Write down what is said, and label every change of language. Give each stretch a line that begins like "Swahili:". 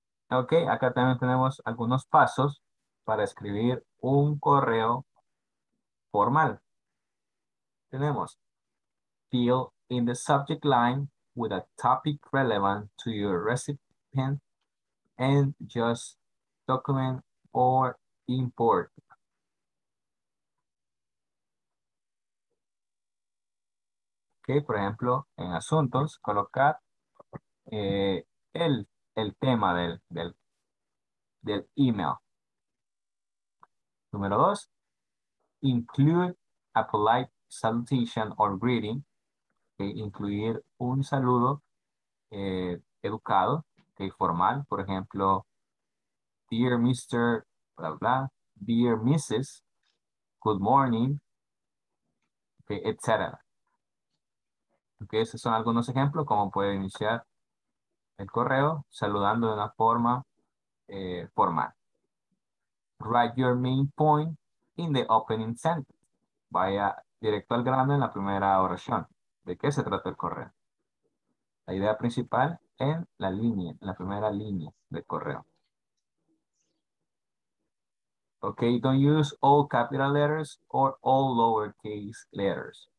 Spanish: Ok, acá también tenemos algunos pasos para escribir un correo formal. Tenemos,
English: fill in the subject line with a topic relevant to your recipient and just document or import.
Spanish: Ok, por ejemplo, en asuntos, colocar el tema del email. Número dos,
English: include a polite salutation or greeting.
Spanish: Okay, incluir un saludo educado, okay, formal, por ejemplo,
English: dear Mr. bla bla, dear Mrs., good morning, okay, etc.
Spanish: Okay, esos son algunos ejemplos como puede iniciar el correo saludando de una forma formal.
English: Write your main point in the opening sentence.
Spanish: Vaya directo al grano en la primera oración. ¿De qué se trata el correo? La idea principal en la línea, en la primera línea del correo.
English: Okay, don't use all capital letters or all lowercase letters.